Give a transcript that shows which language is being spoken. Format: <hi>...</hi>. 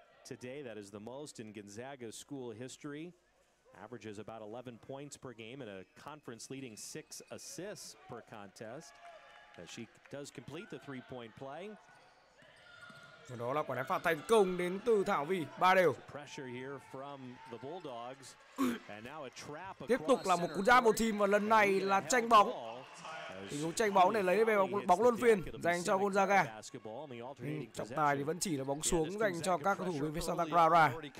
<en>Today that is the most in Gonzaga school history. Averages about 11 points per game and a conference leading 6 assists per contest. As she does complete the 3-point play.</en> <vi>Và đó là quả ném phạt thành công đến từ Thảo Vy, 3 đều.</vi> <en>Pressure here from the Bulldogs. And now a trap.</en> <vi>Tiếp tục là một cú đá một team và lần này là tranh bóng. Tình huống tranh bóng để lấy về bóng luân phiên dành cho Gonzaga. Trọng tài thì vẫn chỉ là bóng xuống dành cho các cầu thủ bên phía Santa Clara.</vi>